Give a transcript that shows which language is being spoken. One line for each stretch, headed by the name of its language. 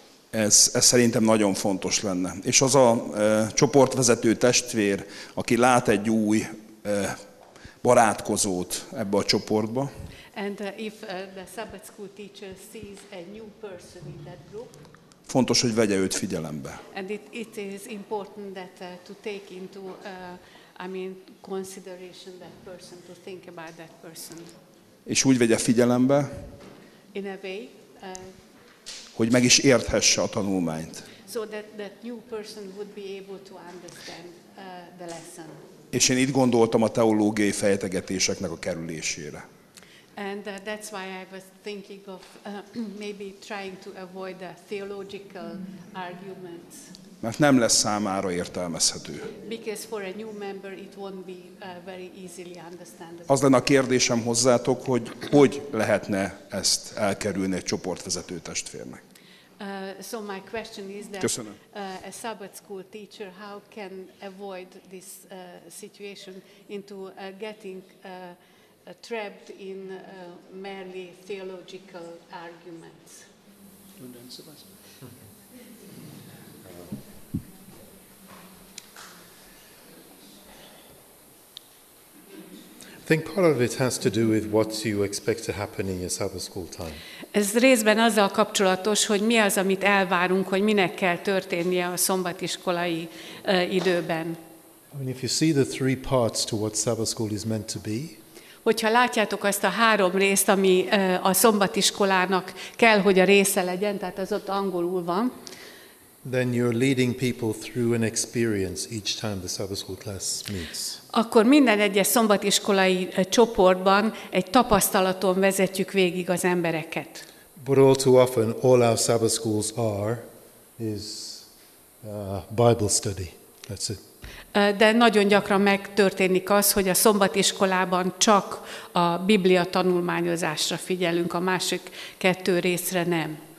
Hungarian: Ez szerintem nagyon fontos lenne. És az a csoportvezető testvér, aki lát egy új barátkozót ebbe a csoportba.
English: And if the Sabbath school teacher sees a new person in that group.
Hungarian: Fontos, hogy vegye őt figyelembe.
English: And it is important that to take into consideration that person, to think about that person.
Hungarian: És úgy vegye figyelembe.
English: In a way,
Hungarian: hogy meg is érthesse a tanulmányt.
English: So that new person would be able to understand the lesson.
Hungarian: És én itt gondoltam a teológiai fejtegetéseknek a kerülésére.
English: And that's why I was thinking of maybe trying to avoid the theological arguments.
Hungarian: Mert nem lesz számára értelmezhető.
English: Because for a new member it won't be very easily understandable.
Hungarian: Az lenne a kérdésem hozzátok, hogy lehetne ezt elkerülni egy csoportvezető testvérnek.
English: So my question is that a Sabbath school teacher, how can avoid this situation into getting trapped in merely theological arguments? I think part of it has to do with what you expect to happen in your Sabbath school time.
Hungarian: Ez részben azzal kapcsolatos, hogy mi az, amit elvárunk, hogy minek kell történnie a szombatiskolai időben.
English: I mean, if you see the three parts to what Sabbath school is meant to be.
Hungarian: Hogyha látjátok azt a három részt, ami a szombatiskolának kell, hogy a része legyen, tehát az ott angolul van.
English: Then you're leading people through an experience each time the Sabbath school class meets.
Hungarian: Akkor minden egyes szombatiskolai csoportban egy tapasztalaton vezetjük végig az embereket.
English: But all too often, all our Sabbath schools are is Bible study. That's it.
Hungarian: De nagyon gyakran megtörténik az, hogy a szombatiskolában csak a Biblia tanulmányozásra figyelünk, a másik kettő részre nem.